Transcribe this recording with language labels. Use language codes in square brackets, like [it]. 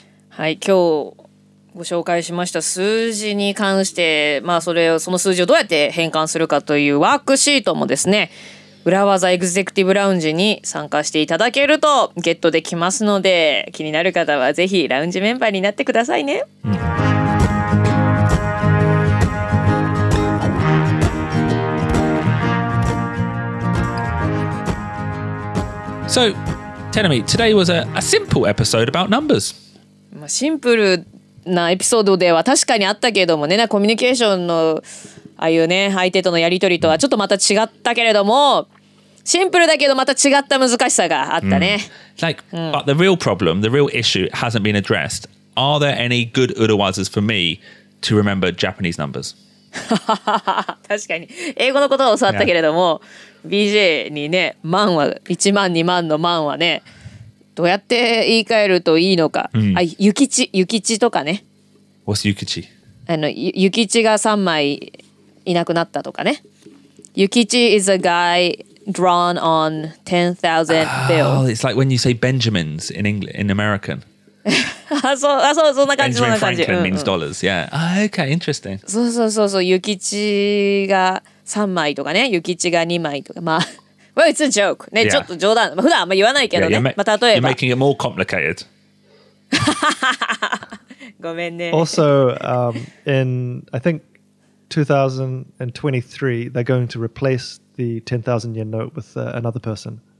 [ja] はい、今日ご紹介しました数字に関して、まあそれをその数字をどうやって変換するかというワークシートもですね、Urawaza Executive Lounge に参加していただけるとゲットできますので、気になる方はぜひラウンジメンバーになってくださいね。 [en] So, Tenami, today was a simple episode about numbers. [ja] シンプルなエピソードでは確かにあったけれどもね、コミュニケーションのああいうね、相手とのやりとりとはちょっとまた違ったけれども、シンプルだけどまた違った難しさがあったね。 [en] Like, but the real problem, the real issue hasn't been addressed. Are there any good Urawazas for me to remember Japanese numbers? [ja] 確かに。英語のことを教わったけれども、BJ にね、万は、1万、2万の万はね、どうやって言い換えるといいのか。 Mm. あ、ゆきち、ゆきちとかね。 [en] What's ゆきち? [ja] あの、ゆきちが3枚いなくなったとかね。 [en] ゆきち is a guy drawn on 10,000 bill. Oh, it's like when you say Benjamins in English, in American. [ja] そう、そんな感じ、そんな感じ。 [en] Benjamin Franklin means dollars, yeah. Ah, okay, interesting. [ja] そう、ゆきちが、3枚とかね、ユキチが2枚とか、まあ、 [en] well, it's a joke. [ja] ね、 [en] yeah. [ja] ちょっと冗談、まあ、普段あんま言わないけどね、 [en] yeah, [ja] まあ、例えば。 [en] You're making it more complicated. [ja] ごめんね。 [en] Also, in, I think, 2023, they're going to replace the 10,000 yen note with another person.